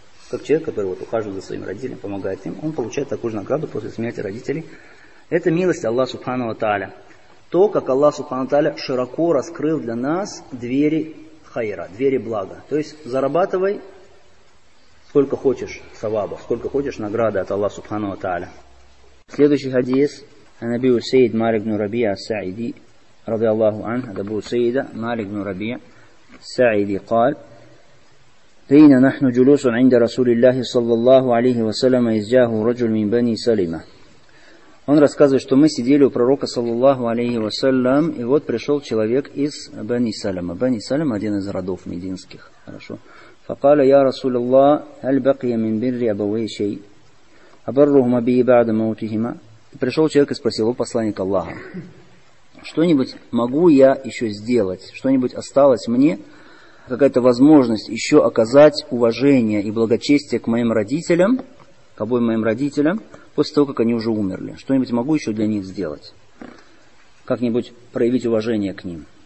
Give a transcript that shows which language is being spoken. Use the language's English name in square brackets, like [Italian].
[Russian] Как человек, который вот ухаживает за своим родителем, помогает им, он получает такую же награду после смерти родителей. Это милость Аллаха Субхану ва Тааля. То, как Аллах Субхану ва Тааля широко раскрыл для нас двери хайра, двери блага. То есть зарабатывай сколько хочешь савабов, сколько хочешь награды от Аллаха Субхану ва Тааля. Следующий хадис. [Arabic] Анаби Усейд Малик ибн Рабия Ас-Саиди ради Аллаху ан, Анаби Усейда Малик ибн Рабия Ас-Саиди قال: بين نحن جلوس عند رسول الله صلى الله عليه وسلم إذ جاءه رجل من بني سلمة. [Russian] Он рассказывает, что мы сидели у пророка саллаллаху алейхи вассалям, и вот пришел человек из Бани Салима. Бани Салим один из родов мединских. Хорошо. [Arabic] فقال يا رسول الله هل بقي من بر أبويه شيء أبرهما به بعد موتهما. [Russian] Пришел человек и спросил: о посланник Аллаха, что-нибудь могу я еще сделать? Что-нибудь осталось мне? Какая-то возможность еще оказать уважение и благочестие к моим родителям, к обоим моим родителям, после того, как они уже умерли. Что-нибудь могу еще для них сделать? Как-нибудь проявить уважение к ним?